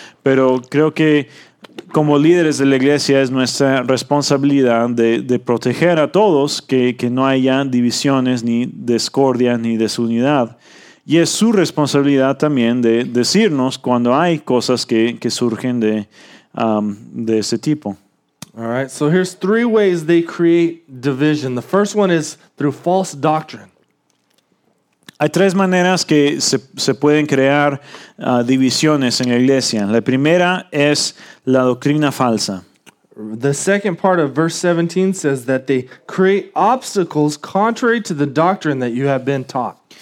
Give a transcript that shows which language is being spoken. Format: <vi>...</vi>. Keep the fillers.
<es>Pero creo que como líderes de la iglesia es nuestra responsabilidad de, de proteger a todos, que, que no haya divisiones ni discordia ni desunidad. Y es su responsabilidad también de decirnos cuando hay cosas que, que surgen de, um, de ese tipo.</es> <en>All right, so here's three ways they create division. The first one is through false doctrine.</en> <es>Hay tres maneras que se, se pueden crear uh, divisiones en la iglesia. La primera es la doctrina falsa.</es> <en>The second part of verse 17 says that they create obstacles contrary to the doctrine that you have been taught.</en>